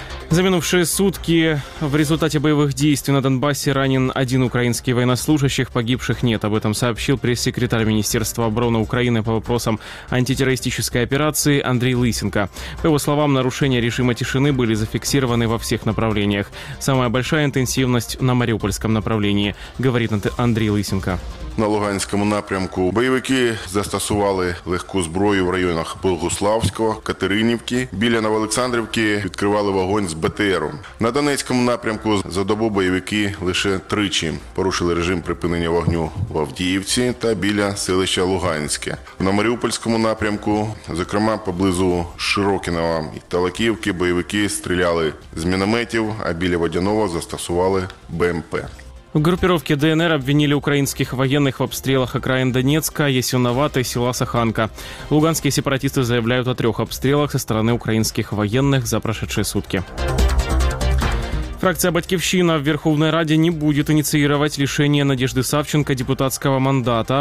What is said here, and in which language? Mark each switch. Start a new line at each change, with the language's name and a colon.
Russian: За минувшие сутки в результате боевых действий на Донбассе ранен один украинский военнослужащий, погибших нет. Об этом сообщил пресс-секретарь Министерства обороны Украины по вопросам антитеррористической операции Андрей Лысенко. По его словам, нарушения режима тишины были зафиксированы во всех направлениях. Самая большая интенсивность на Мариупольском направлении, говорит Андрей Лысенко.
Ukrainian: На Луганському напрямку бойовики застосували легку зброю в районах Богуславського, Катеринівки. Біля Новоолександрівки відкривали вогонь з БТР. На Донецькому напрямку за добу бойовики лише тричі порушили режим припинення вогню в Авдіївці та біля селища Луганське. На Маріупольському напрямку, зокрема поблизу Широкінова і Талаківки, бойовики стріляли з мінометів, а біля Водяного застосували БМП.
Russian: В группировке ДНР обвинили украинских военных в обстрелах окраин Донецка, Ясиновата и села Саханка. Луганские сепаратисты заявляют о трех обстрелах со стороны украинских военных за прошедшие сутки. Фракция «Батьківщина» в Верховной Раде не будет инициировать лишение Надежды Савченко депутатского мандата.